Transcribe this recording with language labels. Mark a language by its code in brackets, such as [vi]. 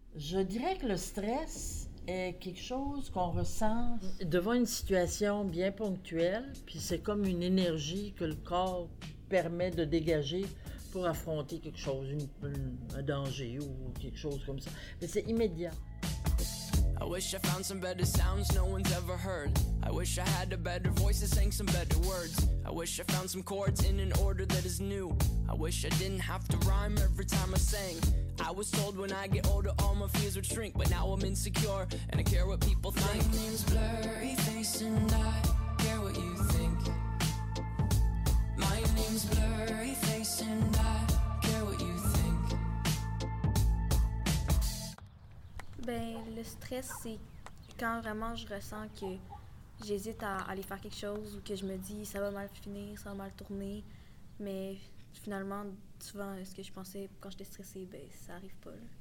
[fr] Je dirais que le stress est quelque chose qu'on ressent devant une situation bien ponctuelle, puis c'est comme une énergie que le corps permet de dégager pour affronter quelque chose, un danger ou quelque chose comme ça. Mais c'est immédiat. [en] I wish I found some better sounds no one's ever heard. I wish I had a better voice and sang some better words. I wish I found some chords in an order that is new. I wish I didn't have to rhyme every time I sang. I was told when I get older all my fears would shrink, but now I'm insecure and I care what people think. My name's blurry face and I care what you think. My name's blurry face and I care what you think. [fr] Ben, le stress, c'est quand vraiment je ressens que j'hésite à aller faire quelque chose ou que je me dis ça va mal finir, ça va mal tourner. Mais finalement, souvent, ce que je pensais quand j'étais stressée, ben, ça arrive pas. Là.